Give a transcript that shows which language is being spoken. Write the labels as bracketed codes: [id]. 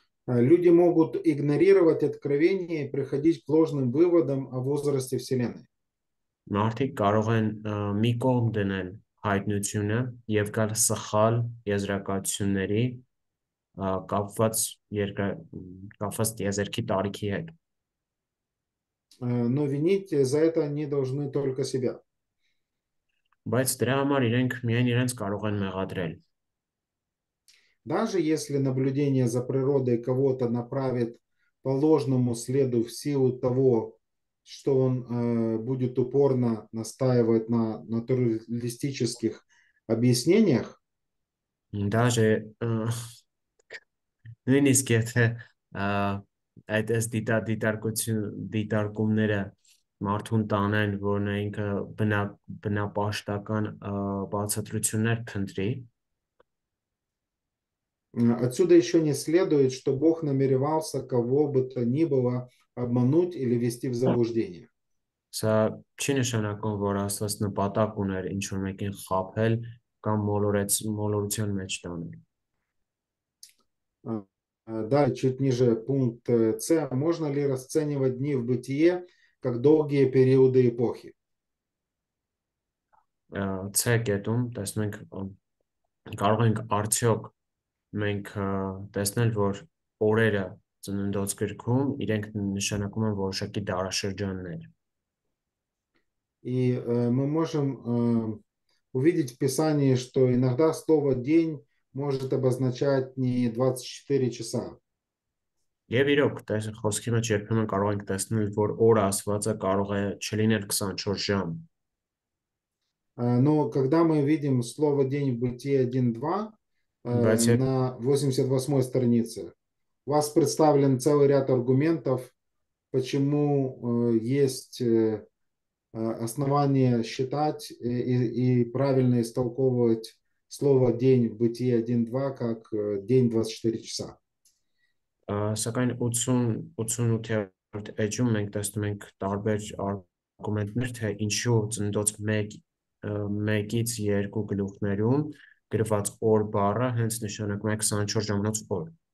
[ru] Люди могут игнорировать откровение и приходить к ложным выводам о возрасте Вселенной. [hy] Մարդիկ կարող են մի կողմ դնել հայտնությունը եւ գալ սխալ եզրակացությունների կապված երկա կապված եզերքի տարիքի հետ։ [ru] Но винить за это они должны только себя. [hy] Բայց դրա համար իրենք միայն իրենց կարող են մեղադրել։ [ru] Даже если наблюдение за природой кого-то направит по ложному следу в силу того, что он будет упорно настаивать на натуралистических объяснениях. Даже [hy] նույնիսկ եթե այդ ես դիտարկումները մարդուն տանեն, որ նա ինքը բնապաշտական բացատրություններ փնտրի, [ru] Отсюда еще не следует, что Бог намеревался кого бы то ни было обмануть или ввести в заблуждение. [hy] Са չի նշանակում, որ Աստված նպատակ ուներ ինչ-որ մեկին խաբել կամ մոլորության մեջ տանել։ [ru] Далее, чуть ниже, пункт С. Можно ли расценивать дни в бытие как долгие периоды эпохи? [hy] Ցե կետում տեսնենք, կարող ենք արդյոք մենք տեսնել, որ օրերը ծննդոց գրքում իրենք նշանակում են որոշակի դարաշրջաններ։ [ru] И мы можем увидеть в Писании, что иногда слово «день» может обозначать не 24 часа. [hy] Եվ իրոք, տես խոսքի մեջ երբեմն կարող ենք տեսնել, որ օրը ասվածը կարող է չլինել 24 ժամ։ [ru] Но когда мы видим слово «день» в Бытие 1.2 на 88-й странице, у вас представлен целый ряд аргументов, почему есть основание считать и правильно истолковывать слово «день» в Бытие 1.2 как «день 24 часа». [hy] Սակայն 88-րդ էջում մենք տեսնում ենք տարբեր արգումենտներ, թե ինչու ծնդոց 1-ից 2 գլուխներում գրված օր բառը հենց նշանակում է 24 ժամանոց օր։